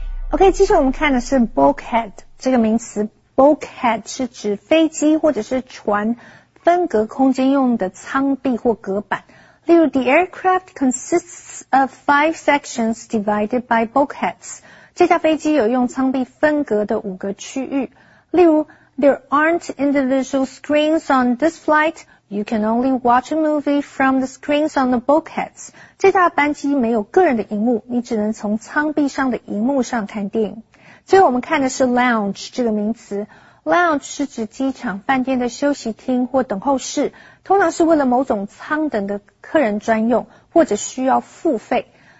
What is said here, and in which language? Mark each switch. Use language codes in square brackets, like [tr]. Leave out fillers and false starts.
[zh] OK， 继续我们看的是 bulkhead 这个名词。Bulkhead 是指飞机或者是船分隔空间用的舱壁或隔板。例如 [en] ，the aircraft consists of 5 sections divided by bulkheads。 [zh] 这架飞机有用舱壁分隔的五个区域。例如 [en] ，there aren't individual screens on this flight. You can only watch a movie from the screens on the bulkheads。 [zh] 这架班机没有个人的荧幕，你只能从舱壁上的荧幕上看电影。最后我们看的是 lounge 这个名词。Lounge 是指机场、饭店的休息厅或等候室，通常是为了某种舱等的客人专用，或者需要付费。